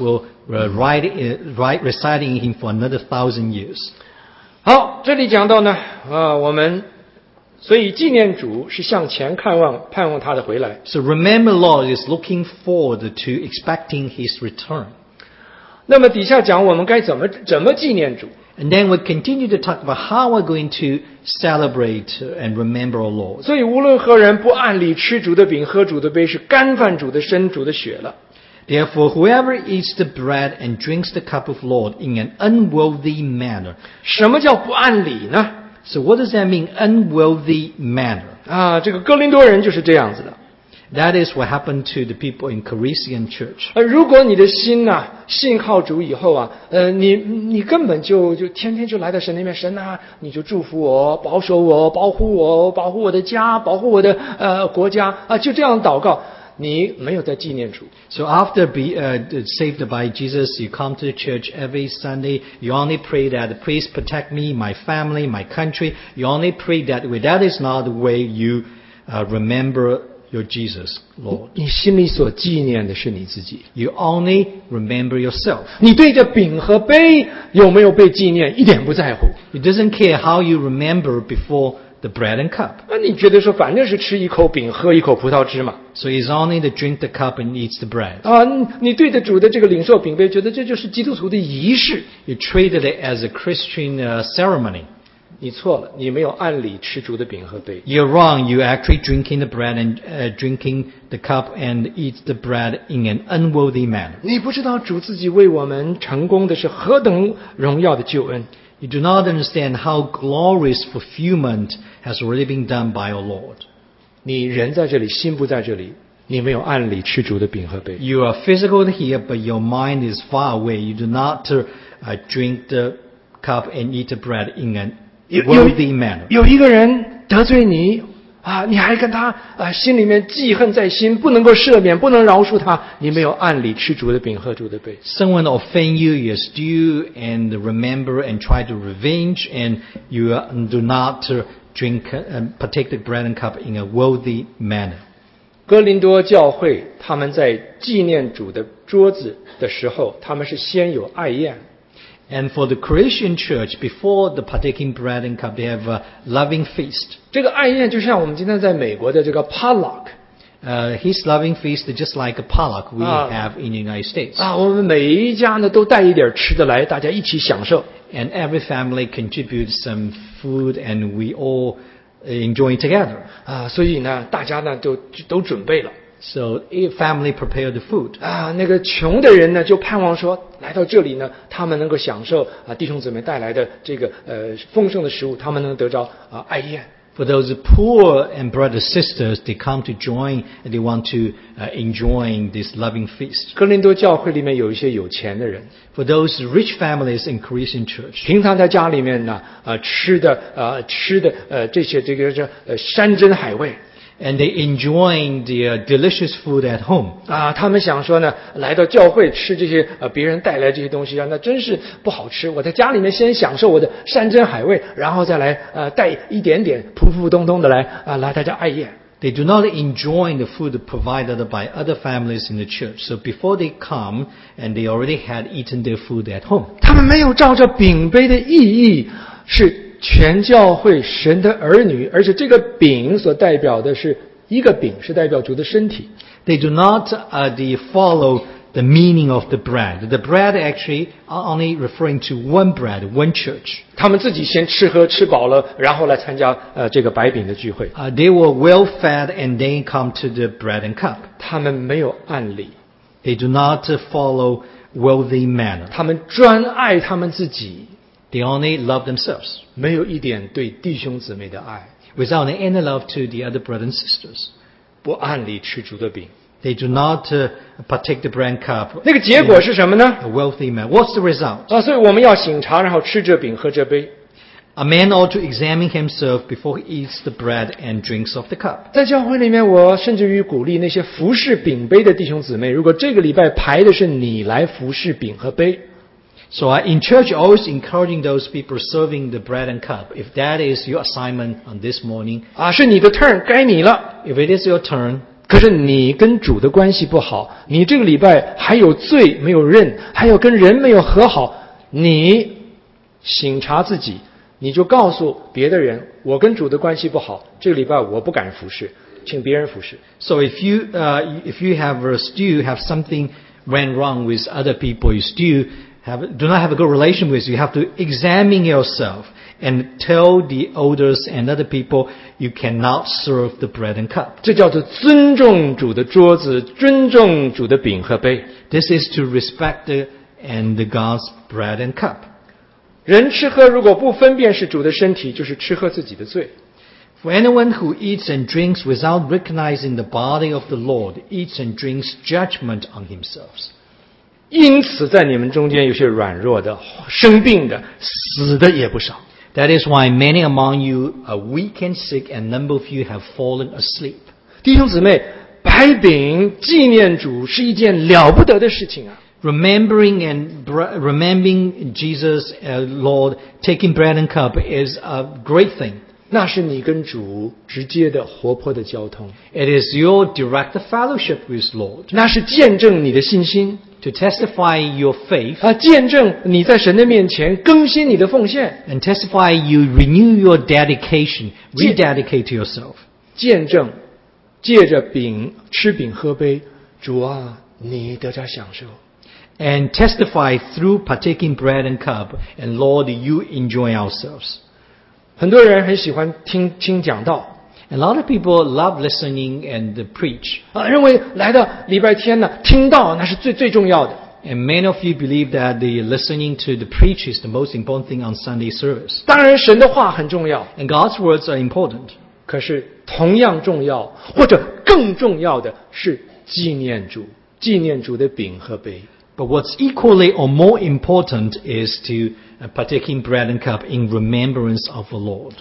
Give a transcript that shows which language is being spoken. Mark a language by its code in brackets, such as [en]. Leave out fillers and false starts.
[en] will reside in him for another 1,000 years. [zh] 好，这里讲到呢，我们所以纪念主是向前看望，盼望他的回来。 [en] So remember, Lord is looking forward to expecting his return. [zh] 那么底下讲我们该怎么纪念主。 [en] And then we continue to talk about how we're going to celebrate and remember our Lord. [zh] 所以无论何人不按理吃主的饼喝主的杯是干饭主的身主的血了。 [en] Therefore, whoever eats the bread and drinks the cup of Lord in an unworthy manner. [zh] 什么叫不按理呢？ [en] So what does that mean, unworthy manner? [zh] 啊，这个哥林多人就是这样子的。 [en] That is what happened to the people in Corinthian church. [zh] 如果你的心呢、啊，信靠主以后啊，你根本就天天就来到神那边，神呐、啊，你就祝福我，保守我，保护我，保护我的家，保护我的国家啊，就这样祷告，你没有在纪念主。 [en] So after be saved by Jesus, you come to the church every Sunday. You only pray that please protect me, my family, my country. You only pray that way. That is not the way you remember. Your Jesus, Lord. [zh] 你心里所纪念的是你自己。 [en] You only remember yourself. [zh] 你对着饼和杯有没有被纪念，一点不在乎。 [en] It doesn't care how you remember before the bread and cup. [zh] 那你觉得说反正是吃一口饼喝一口葡萄汁嘛。 [en] So it's only to drink the cup and eat the bread. [zh] 啊，你对着主的这个领受饼杯，觉得这就是基督徒的仪式。 [en] You treated it as a Christian ceremony. 你错了，你没有按理吃主的饼和杯。 You're wrong. You actually drinking the bread and drinking the cup and eat the bread in an unworthy manner. [zh] 你不知道主自己为我们成功的是何等荣耀的救恩。 [en] You do not understand how glorious fulfillment has already been done by our Lord. [zh] 你人在这里，心不在这里，你没有按理吃主的饼和杯。 [en] You are physical here, but your mind is far away. You do not drink the cup and eat the bread in an [zh] 有一个人得罪你啊，你还跟他啊，心里面记恨在心，不能够赦免，不能饶恕他。你没有按理吃主的饼喝主的杯。 [en] Someone offend you, you still and remember and try to revenge, and you do not drink and partake the bread and cup in a worthy manner. [zh] 哥林多教会他们在纪念主的桌子的时候，他们是先有爱宴。 [en] And for the Christian church, before the partaking bread and cup, they have a loving feast. [zh] 这个爱宴就像我们今天在美国的这个 potluck. [en] His loving feast is just like a potluck we have in the United States. [zh] 啊，我们每一家呢都带一点吃的来，大家一起享受。 [en] And every family contributes some food, and we all enjoy together. [zh] 啊，所以呢，大家呢都准备了。 [en] So family prepared the food. [zh] 啊，那个穷的人呢，就盼望说来到这里呢，他们能够享受啊弟兄姊妹带来的这个丰盛的食物，他们能得着啊爱宴。 [en] For those poor and brothers and sisters, they come to join and they want to enjoy this loving feast. [zh] 哥林多教会里面有一些有钱的人。 [en] For those rich families in Christian church, [zh] 平常在家里面呢，吃的这些这个叫山珍海味。 [en] And they enjoying the delicious food at home. [zh] 啊，他们想说呢，来到教会吃这些别人带来这些东西啊，那真是不好吃。我在家里面先享受我的山珍海味，然后再来带一点点普普通通的来大家爱宴。 [en] They do not enjoy the food provided by other families in the church. So before they come, and they already had eaten their food at home. [zh] 他们没有照着饼杯的意义是。全教会神的儿女，而且这个饼所代表的是一个饼，是代表主的身体。 [en] They do not follow the meaning of the bread. The bread actually are only referring to one bread, one church. [zh] 他们自己先吃喝吃饱了，然后来参加这个白饼的聚会。 [en] They were well fed and then come to the bread and cup. [zh] 他们没有按理。 [en] They do not follow worthy manner. [zh] 他们专爱他们自己。 [en] They only love themselves. [zh] 没有一点对弟兄姊妹的爱。 [en] Without any love to the other brothers and sisters. [zh] 不按理吃主的饼。 [en] They do not partake the bread cup. [zh] 那个结果是什么呢？ [en] A wealthy man. What's the result? [zh] 啊，所以我们要醒茶，然后吃这饼，喝这杯。 [en] A man ought to examine himself before he eats the bread and drinks of the cup. [zh] 在教会里面，我甚至于鼓励那些服侍饼杯的弟兄姊妹，如果这个礼拜排的是你来服侍饼和杯。 [en] So in church, always encouraging those people serving the bread and cup. If that is your assignment on this morning, [zh] 啊，是你的 turn， 该你了。 [en] If it is your turn， [zh] 可是你跟主的关系不好，你这个礼拜还有罪没有认，还有跟人没有和好，你省察自己，你就告诉别的人，我跟主的关系不好，这个礼拜我不敢服侍，请别人服侍。 [en] So if you have still have something went wrong with other people, you still do not have a good relation with, you have to examine yourself and tell the elders and other people you cannot serve the bread and cup. [zh] 这叫做尊重主的桌子，尊重主的饼和杯。 [en] This is to respect the, and the God's bread and cup. [zh] 人吃喝如果不分辨是主的身体，就是吃喝自己的罪。 [en] For anyone who eats and drinks without recognizing the body of the Lord eats and drinks judgment on himself. [zh] 因此在你们中间有些软弱的，生病的，死的也不少。 [en] That is why many among you are weak and sick and number of you have fallen asleep. [zh] 弟兄姊妹，白饼纪念主是一件了不得的事情啊。 [en] Remembering Jesus, Lord, taking bread and cup is a great thing. [zh] 那是你跟主直接的活泼的交通。 [en] It is your direct fellowship with Lord. [zh] 那是见证你的信心。 [en] To testify your faith. [zh] 见证你在神的面前更新你的奉献。 [en] And testify you renew your dedication, rededicate yourself. [zh] 见证借着饼吃饼喝杯主啊你得着享受。 [en] And testify through partaking bread and cup, and Lord, you enjoy ourselves. [zh] 很多人很喜欢听讲道。 [en] A lot of people love listening and preach. [zh] 认为来到礼拜天呢听道那是最重要的。 [en] And many of you believe that the listening to the preach is the most important thing on Sunday service. [zh] 当然神的话很重要。 [en] And God's words are important. [zh] 可是同样重要或者更重要的是纪念主，纪念主的饼和杯。 [en] But what's equally or more important is to partake in bread and cup in remembrance of the Lord.